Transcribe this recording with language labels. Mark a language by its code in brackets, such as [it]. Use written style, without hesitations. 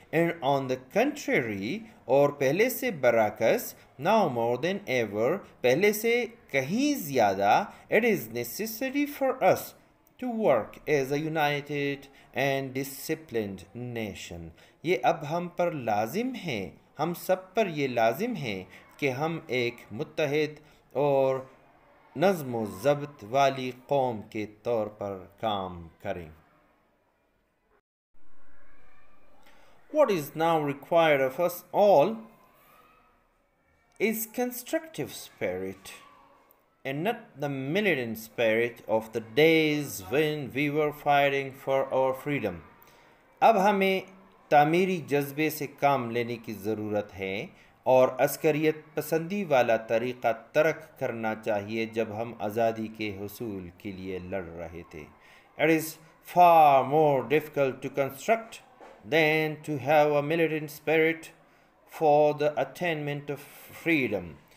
[en] and on the contrary, [hi] और पहले से बराकस, [en] now more than ever, [hi] पहले से कहीं ज़्यादा, [en] It is necessary for us to work as a united and disciplined nation. [hi] ये अब हम पर लाजिम है, हम सब पर ये लाजिम है कि हम एक मुत्तहिद और नज़्म व ज़ब्त वाली कौम के तौर पर काम करें। [en] What is now required of us all is constructive spirit and not the militant spirit of the days when we were fighting for our freedom. [hi] अब हमें तामीरी जज्बे से काम लेने की ज़रूरत है और अस्करियत पसंदी वाला तरीक़ा तर्क करना चाहिए जब हम आज़ादी के हुसूल के लिए लड़ रहे थे। [en] It is far more difficult to construct than to have a militant spirit for the attainment of freedom.